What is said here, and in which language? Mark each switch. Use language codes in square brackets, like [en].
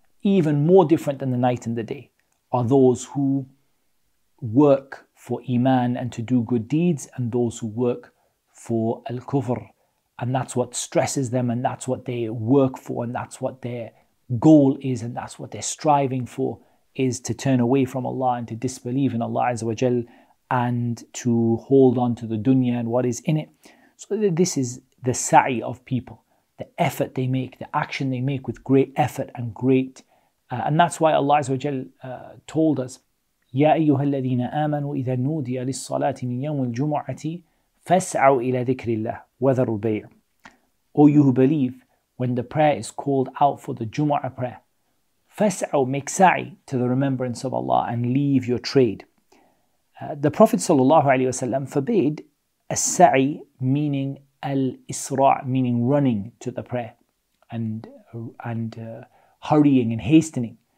[en] Even more different than the night and the day are those who work for iman and to do good deeds, and those who work for al-kufr, and that's what stresses them, and that's what they work for, and that's what their goal is, and that's what they're striving for, is to turn away from Allah and to disbelieve in Allah Azza wa Jal and to hold on to the dunya and what is in it. So this is the sa'i of people, the effort they make, the action they make with great effort and great. And that's why Allah Azza wa Jal told us, [ar] يا أيها الذين آمنوا إذا نودي للصلاة من يوم الجمعة فاسعوا إلى ذكر الله وذروا البيع. [en] O you who believe, when the prayer is called out for the Jumu'ah prayer, فاسعوا, make sa'i to the remembrance of Allah and leave your trade. The Prophet ﷺ forbade as-sa'i, meaning al-isra', meaning running to the prayer and hurrying and hastening.